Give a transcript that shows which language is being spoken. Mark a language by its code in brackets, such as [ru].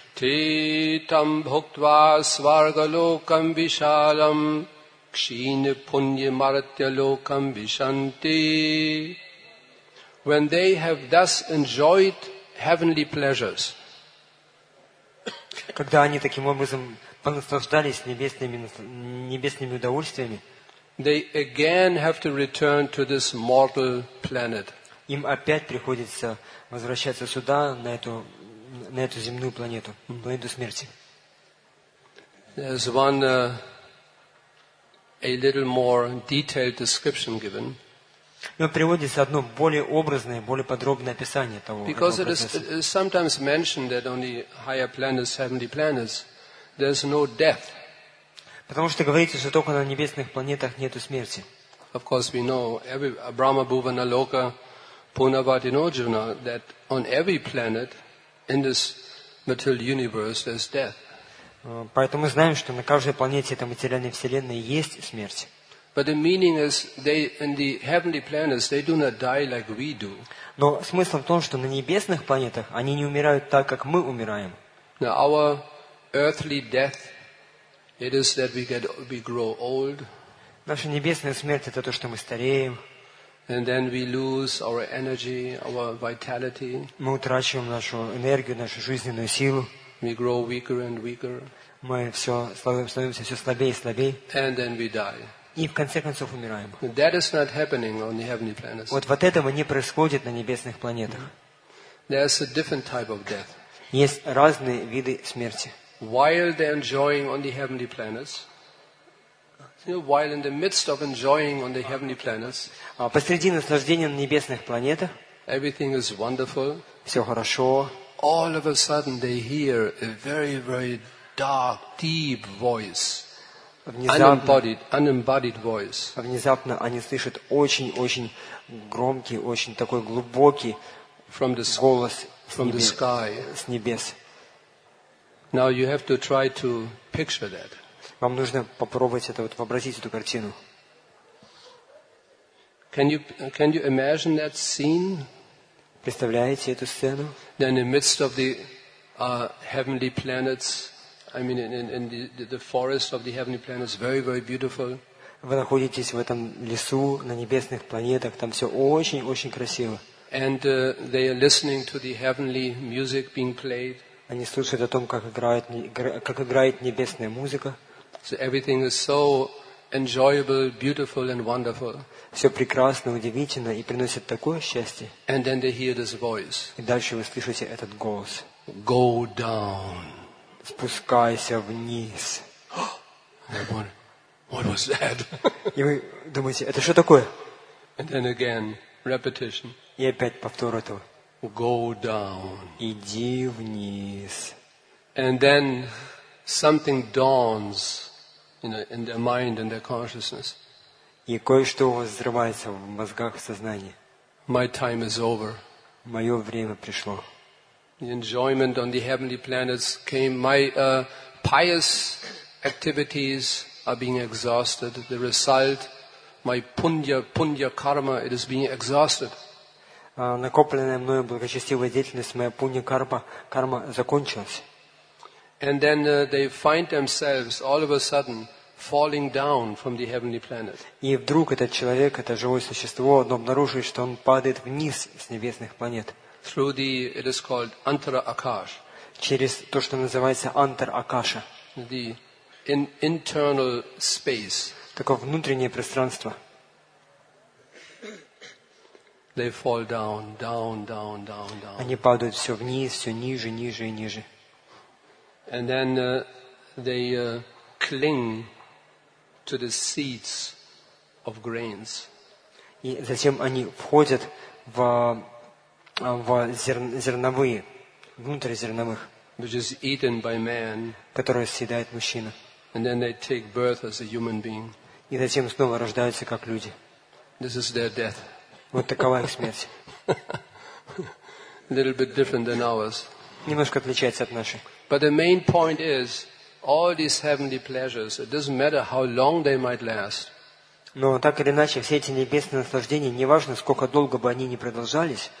[sa] Титам бхуктва сваргалокам вишалам кшине пунья маратья локам вишанти. [en] When they have thus enjoyed heavenly pleasures, [ru] когда они таким образом понаслаждались небесными удовольствиями, [en] they again have to return to this mortal planet. [ru] Им опять приходится возвращаться сюда, на эту земную планету, планету смерти. [en] There's one a little more detailed description given. [ru] Но приводится одно более образное, более подробное описание того. [en] Because it is sometimes mentioned that on the higher planets, heavenly planets, there's no death. [ru] Потому что говорится, что только на небесных планетах нету смерти. [en] Of course, we know every [sa] Brahma Bhuvana Loka Punavatinojuna [en] that on every planet in this material universe there's death. [ru] Поэтому мы знаем, что на каждой планете этой материальной вселенной есть смерть. [en] But the meaning is they in the heavenly planets they do not die like we do. [ru] Но смысл в том, что на небесных планетах они не умирают так, как мы умираем. [en] Now our earthly death it is that we grow old. [ru] Наша небесная смерть это то, что мы стареем. [en] And then we lose our energy, our vitality. [ru] Мы утрачиваем нашу энергию, нашу жизненную силу. [en] We grow weaker and weaker. [ru] Мы все становимся все слабее и слабее. [en] And then we die. [ru] И в конце концов умираем. [en] That is not happening on the heavenly planets. [ru] Вот этого не происходит на небесных планетах. [en] There's a different type of death. [ru] Есть разные виды смерти. [en] while they're enjoying on the heavenly planets, you know, while in the midst of enjoying on the heavenly planets, [ru] посреди наслаждения на небесных планетах, [en] everything is wonderful, [ru] все хорошо. [en] All of a sudden they hear a very, very dark, deep voice. Unembodied voice. [ru] Внезапно они слышат очень-очень громкий, очень такой глубокий голос с небес. [en] Now you have to try to picture that. [ru] Вам нужно попробовать это, вот вообразить эту картину. [en] Can you imagine that scene? [ru] Представляете эту сцену? [en] Then in the midst of the heavenly planets, I mean in the forest of the heavenly planets, very, very beautiful. [ru] Вы находитесь в этом лесу на небесных планетах, там все очень-очень красиво. [en] And they are listening to the heavenly music being played. [ru] Они слушают о том, как играет небесная музыка. [en] So everything is so enjoyable, beautiful and wonderful. [ru] Все прекрасно, удивительно и приносит такое счастье. [en] And then they hear this voice. [ru] И дальше вы слышите этот голос. [en] Go down. [ru] Спускайся вниз. [en] What was that? [ru] И вы думаете, это что такое? [en] And then again, repetition. [ru] И опять повтор этого. [en] Go down. [ru] Иди вниз. [en] And then something dawns. You know, in their mind, in their consciousness. [ru] И кое-что у вас взрывается в мозгах, в сознании. [en] My time is over. [ru] Мое время пришло. [en] The enjoyment on the heavenly planets came. My pious activities are being exhausted. The result, my punya karma, it is being exhausted. [ru] Накопленная мною благочестивая деятельность, моя пунья карма закончилась. [en] And then they find themselves all of a sudden falling down from the heavenly planet. [ru] И вдруг этот человек, это живое существо, он обнаруживает, что он падает вниз с небесных планет. [en] Through the, it is called antar akash. [ru] Через то, что называется антар акаша. [en] The internal space. [ru] Такое внутреннее пространство. [en] They fall down, down, down, down, down. [ru] Они падают все вниз, все ниже, ниже и ниже. [en] And then they cling to the seeds of grains. [ru] И затем они входят в зерновые, внутрь зерновых, [en] which is eaten by man, [ru] которые съедает мужчина. [en] And then they take birth as a human being. [ru] И затем снова рождаются как люди. [en] This is their death. [ru] Вот такова их смерть. [en] A little bit different than ours. [ru] Немножко отличается от нашей. [en] But the main point is, all these heavenly pleasures, it doesn't matter how long they might last. [ru] Но так или иначе, все эти небесные наслаждения, неважно, сколько долго бы они ни продолжались,